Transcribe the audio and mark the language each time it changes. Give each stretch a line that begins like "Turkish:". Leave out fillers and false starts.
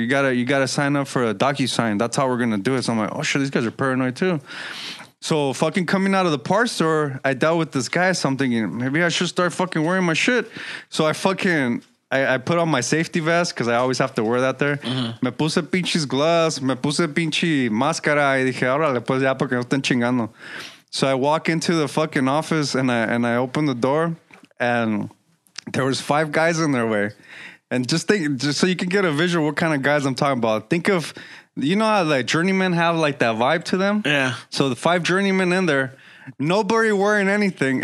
English: You gotta sign up for a DocuSign. That's how we're going to do it. So I'm like, oh, shit, these guys are paranoid too. So fucking coming out of the parts store, I dealt with this guy. So I'm thinking, maybe I should start fucking wearing my shit. So I put on my safety vest because I always have to wear that there.
Spanish: Mm-hmm. Me puse pinches gloves. Me puse pinche máscara. Y dije, órale, pues ya, porque no estén chingando.
English: So I walk into the fucking office and I open the door. And there was 5 guys in their way. And just think, just so you can get a visual of what kind of guys I'm talking about. Think of, you know how like journeymen have like that vibe to them? Yeah. So the 5 journeymen in there, nobody wearing anything.